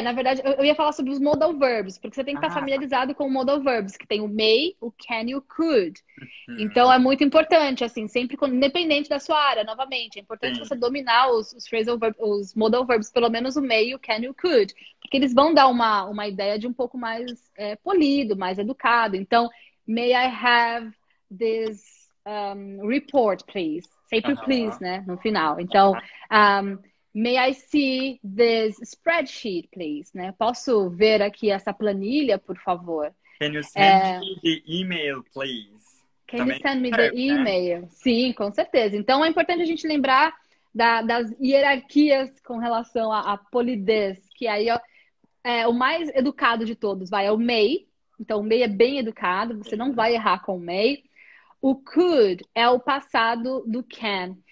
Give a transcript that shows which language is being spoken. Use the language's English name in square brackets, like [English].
[Portuguese] Na verdade, eu ia falar sobre os modal verbs, porque você tem que estar familiarizado com o modal verbs, que tem o may, o can e o could. Então, é muito importante, assim, sempre, independente da sua área, novamente, é importante você dominar os phrasal verbs, os modal verbs, pelo menos o may, o can e o could, porque eles vão dar uma ideia de um pouco mais polido, mais educado. [English] Então, may I have this report, please? [Portuguese] Sempre o please, né, no final. [English] Então, may I see this spreadsheet, please? [Portuguese] Né? Posso ver aqui essa planilha, por favor? [English] Can you send me the email, please? Can you [Portuguese] Também [English] send me the [Portuguese] serve, né? email? Sim, com certeza. Então, é importante a gente lembrar das hierarquias com relação à polidez, que aí é o mais educado de todos, vai, é o may. Então, o may é bem educado, você não vai errar com o may. O could é o passado do can.